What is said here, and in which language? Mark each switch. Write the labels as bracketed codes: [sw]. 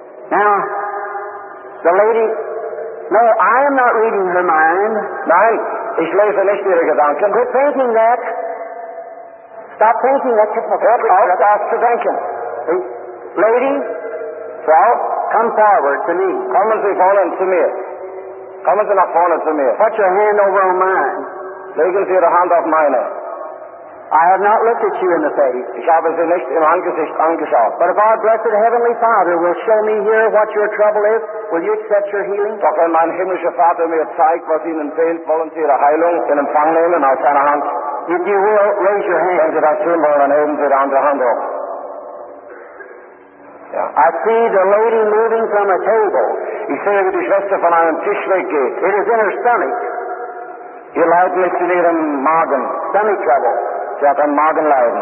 [en] Now, the lady, no, I am not reading her mind. [de] Nein, ich lese nicht ihre Gedanken. [en] Quit thinking that. Stop thinking that. [de] Hört auf, das zu denken. [en] Lady, [de] Frau, [en] come forward to me. [de] Kommen Sie vorne zu mir. Kommen Sie nach vorne zu mir. [en] Put your hand over on mine. [de] Legen Sie Ihre Hand auf meine. [en] I have not looked at you in the face. [de] Ich habe Sie nicht im Angesicht angeschaut. [en] But if our blessed Heavenly Father will show me here what your trouble is, will you accept your healing? [de] Doch wenn mein himmlischer Vater mir zeigt, was Ihnen fehlt, wollen Sie Ihre Heilung in Empfang nehmen aus seiner Hand? [en] If you will, raise your hand. [de] Wenn Sie das tun wollen, dann heben Sie Ihre andere Hand auf. [en] I see the lady moving from a table. [de] Ich sehe, wie die Schwester von einem Tisch weggeht. [en] It is in her stomach. [de] Ihr Leiden ist in ihrem Magen. [en] Stomach trouble. [de] Sie hat einen Magenleiden.